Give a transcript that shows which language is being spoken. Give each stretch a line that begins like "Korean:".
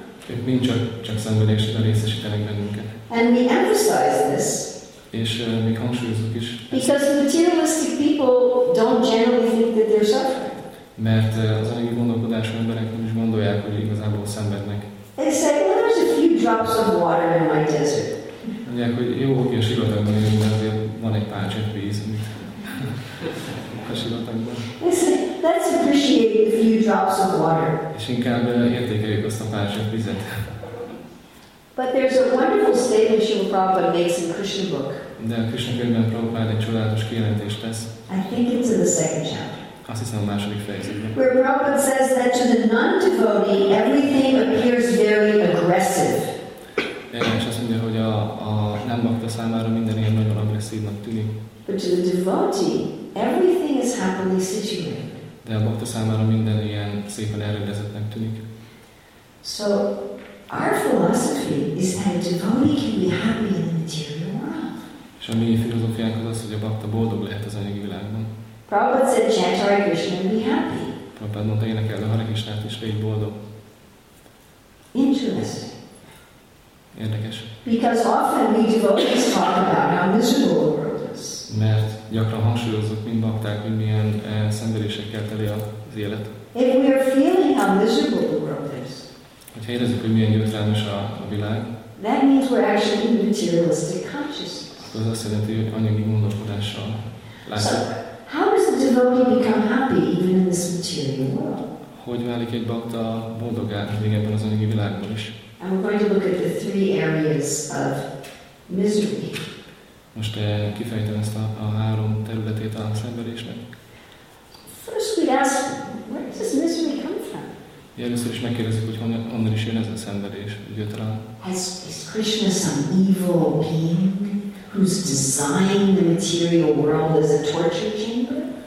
Hungarian: Ők mind csak szenvedésre részesítenek bennünket.
English: And we emphasize this.
Hungarian: És mi hangsúlyozunk is.
English: Because materialistic people don't generally think that they're suffering.
Hungarian: Mert az anyagi gondolkodású emberek nem is gondolják, hogy igazából szenvednek.
English: They say, well, there's a few drops of water in my desert.
Hungarian: Mondják, hogy jó, hogy a sivatagban élünk, mert azért van egy pálcsak víz, amit a sivatagban.
English: They say, let's appreciate a few drops of water.
Hungarian: És inkább értékeljük azt a pálcsak vizet.
English: But there's a wonderful statement Srila Prabhupada makes in Krishna book.
Hungarian: De a Krishna könyvben Prabhupada egy csodálatos kijelentést tesz.
English: I think it's in the second chapter.
Hungarian: Azt hiszem, a második fejezetben.
English: Where Prabhupada says that to the non-devotee, everything appears very aggressive.
Hungarian: És azt mondja, hogy a nem bhakta számára minden ilyen nagyon agresszívnak tűnik.
English: But to the devotee, everything is happily situated.
Hungarian: De a bhakta számára minden ilyen szépen elrendezettnek tűnik.
English: So, our philosophy is that a devotee can be happy in the material world.
Hungarian: És a mi filozófiánk az, hogy a bhakta boldog lehet az anyagi világban.
English: Prabhupada said, chant Hare Krishna and be happy.
Hungarian: Prabhupada mondta, énekeld a Hare Krishnát és légy boldog.
English: Interesting.
Hungarian: Érdekes.
English: Because often we devotees talk about how miserable the world is.
Hungarian: Mert gyakran hangsúlyozzuk, mint bhakták, hogy milyen szenvedésekkel teli az élet.
English: If we are feeling how miserable the world is.
Hungarian: Hogyha érezzük, hogy milyen gyötrelmes a világ.
English: That means we're actually in materialistic consciousness.
Hungarian: Az azt jelenti, hogy anyagi gondolkodással látjuk.
English: So, how does a devotee become happy even in this material world?
Hungarian: Hogy válik egy bhakta boldoggá még ebben az anyagi világban is?
English: And we're going to look at the three areas of misery.
Hungarian: Most kifejtem ezt a három területét a szenvedésnek.
English: First we ask, where does this misery come from?
Hungarian: Először is megkérdezzük, hogy honnan is jön ez a szenvedés, gyötrelem.
English: Is Krishna some evil being whose design the material world as a torture chamber?